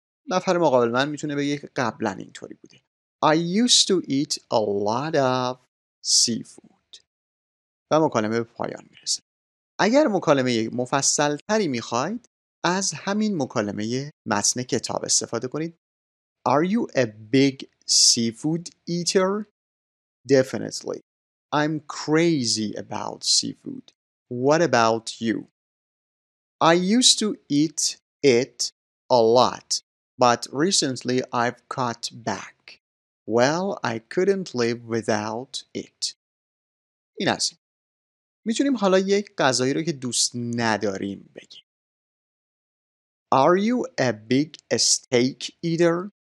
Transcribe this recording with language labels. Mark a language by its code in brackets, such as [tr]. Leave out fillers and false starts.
[fa] نفر مقابل من میتونه بگه که قبلا اینطوری بوده. [en] I used to eat a lot of seafood. [fa] و مکالمه به پایان میرسه. اگر مکالمه مفصل تری میخواید از همین مکالمه متن کتاب استفاده کنید. [en] Are you a big seafood eater? Definitely. I'm crazy about seafood. What about you? I used to eat it a lot, but recently I've cut back. Well, I couldn't live without it. [fa] این از این. میتونیم حالا یک غذایی رو که دوست نداریم بگیم. [en] Are you a big steak eater?